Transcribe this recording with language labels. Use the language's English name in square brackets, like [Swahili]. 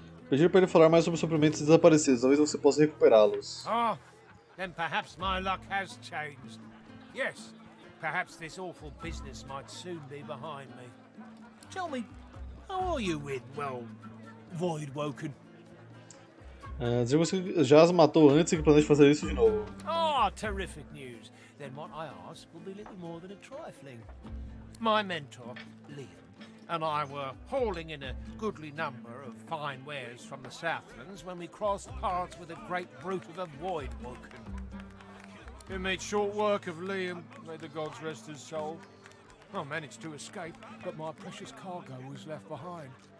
[Portuguese] Pedir para ele falar mais sobre os suprimentos desaparecidos. Talvez você possa recuperá-los. [English] Ah, then perhaps my luck has changed. Yes, perhaps this awful business might soon be behind me. Tell me, how are you with, well, void woken? [Portuguese] Dizer que você já as matou antes e que planeja fazer isso de novo. [English] Ah, oh, terrific news. Then what I ask will be little more than a trifling. My mentor, Liam. And I were hauling in a goodly number of fine wares from the Southlands when we crossed paths with a great brute of a void woken. It made short work of Liam, may the gods rest his soul. I managed to escape, but my precious cargo was left behind.